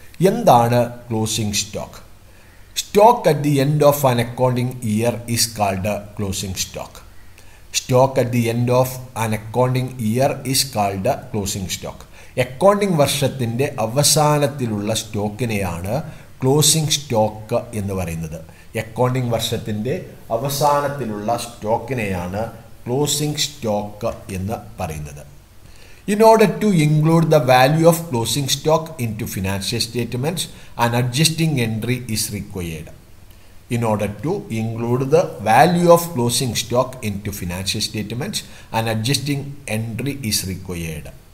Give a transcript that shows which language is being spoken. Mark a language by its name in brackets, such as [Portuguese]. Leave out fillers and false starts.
[English] എന്താണ് closing stock? Stock at the end of an accounting year is called closing stock. Stock at the end of an accounting year is called a closing stock. [Malayalam] Accounting വർഷത്തിൻ്റെ അവസാനത്തിലുള്ള സ്റ്റോക്കിനെയാണ് closing stock എന്ന് പറയുന്നത്. Accounting വർഷത്തിൻ്റെ അവസാനത്തിലുള്ള സ്റ്റോക്കിനെയാണ് closing stock എന്ന് പറയുന്നത്. [English] In order to include the value of closing stock into financial statements and adjusting entry is required. In order to include the value of closing stock into financial statements, an adjusting entry is required.